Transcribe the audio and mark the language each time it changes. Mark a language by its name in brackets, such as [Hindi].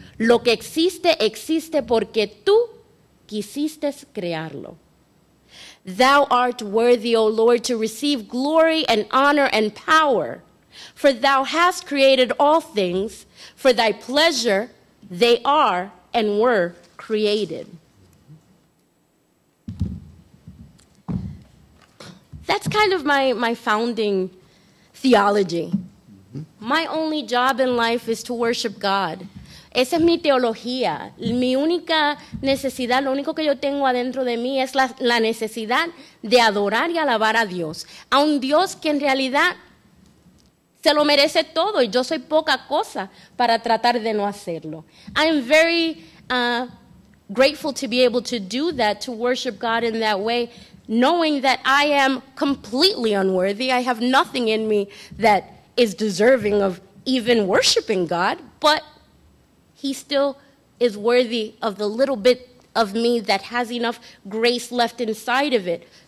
[Spanish] Lo que existe, existe porque tú quisiste crearlo. [English] Thou art worthy, O Lord, to receive glory and honor and power, for thou hast created all things, for thy pleasure they are and were created. That's kind of my founding theology. Mm-hmm. My only job in life is to worship God. [Spanish] Esa es mi teología. Mi única necesidad, lo único que yo tengo adentro de mí es la necesidad de adorar y alabar a Dios. A un Dios que en realidad se lo merece todo y yo soy poca cosa para tratar de no hacerlo. [English] I am very grateful to be able to do that, to worship God in that way, knowing that I am completely unworthy. I have nothing in me that is deserving of even worshiping God, but He still is worthy of the little bit of me that has enough grace left inside of it